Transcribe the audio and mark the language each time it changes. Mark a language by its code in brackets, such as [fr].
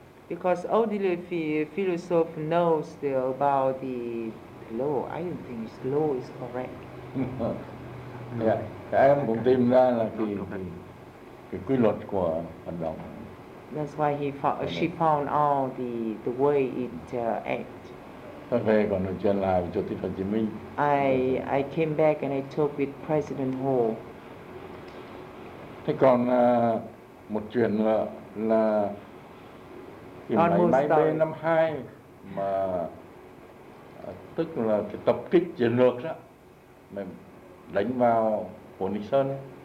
[en] because all the philosopher knows about the law. I don't think it's law is correct. [vi] Yeah, em cũng tìm ra là cái quy luật của hoạt động. [en] That's why she found out the way it acts. [vi] Okay, còn nói chuyện là Chủ tịch Hồ Chí Minh. [en] I came back and I talked with President Hồ. [vi] Thế còn một chuyện là máy B-52 mà tức là cái tập kích chiến lược đó mà đánh vào Hồ Ninh Sơn.